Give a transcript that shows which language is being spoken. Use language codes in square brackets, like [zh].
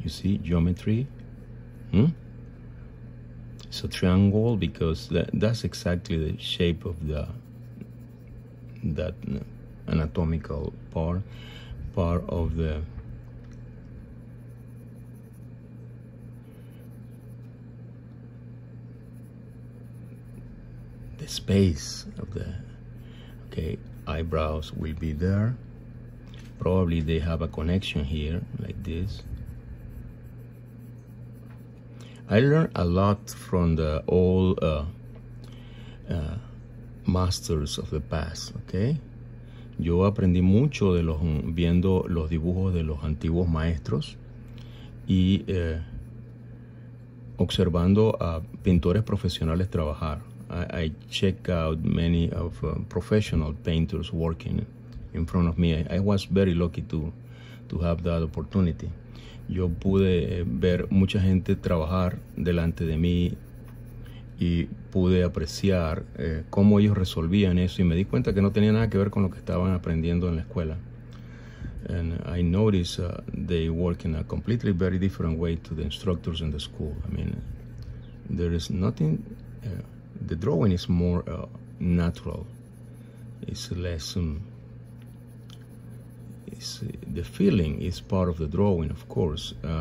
[en] You see geometry? It's a triangle because that's exactly the shape of that anatomical part of the space of the okay. Eyebrows will be there, probably they have a connection here like this. I learned a lot from the old masters of the past. [es] Okay, yo aprendí mucho de los viendo los dibujos de los antiguos maestros y observando a pintores profesionales trabajar. [en] I check out many of professional painters working in front of me. I was very lucky to have that opportunity. [es] Yo pude ver mucha gente trabajar delante de mí y pude apreciar cómo ellos resolvían eso, y me di cuenta que no tenía nada que ver con lo que estaban aprendiendo en la escuela. [en] And I noticed they work in a completely very different way to the instructors in the school. I mean, there is nothing... The drawing is more natural. It's less. It's the feeling is part of the drawing, of course.